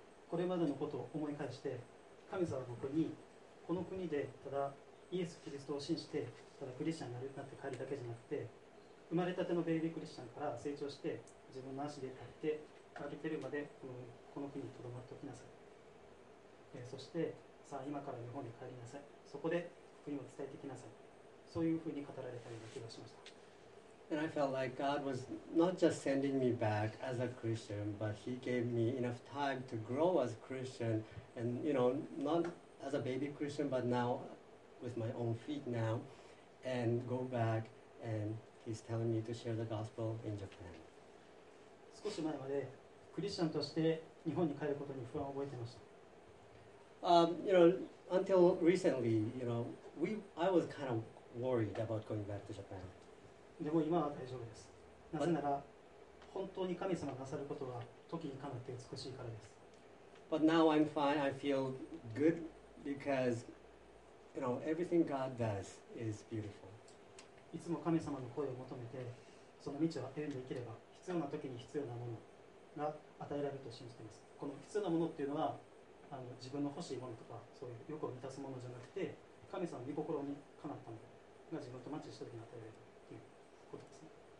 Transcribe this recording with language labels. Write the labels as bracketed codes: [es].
[ja] これまでのことを思い返して、神様は僕にこの国でただイエス・キリストを信じてただクリスチャンになるなんて帰るだけじゃなくて、生まれたてのベイビークリスチャンから成長して自分の足で立って歩いてるまでこの国にとどまっておきなさい、そしてさあ今から日本に帰りなさい、そこで国を伝えてきなさい、そういうふうに語られたような気がしました。 [en] And I felt like God was not just sending me back as a Christian, but He gave me enough time to grow as a Christian and, you know, not as a baby Christian, but now with my own feet now and go back andHe's telling me to share the gospel in Japan. [ja] 少し前までクリスチャンとして日本に帰ることに不安を覚えていました。 [en] You know, until recently, you know, I was kind of worried about going back to Japan. [ja] でも今は大丈夫です。なぜなら本当に神様がなさることは時にかなって美しいからです。 [en] But now I'm fine. I feel good because, you know, everything God does is beautiful. [ja] いつも神様の声を求めてその道を歩んでいければ必要な時に必要なものが与えられると信じています。この必要なものっていうのは自分の欲しいものとかそういう欲を満たすものじゃなくて神様の御心にかなったものが自分とマッチした時に与えられるということですね。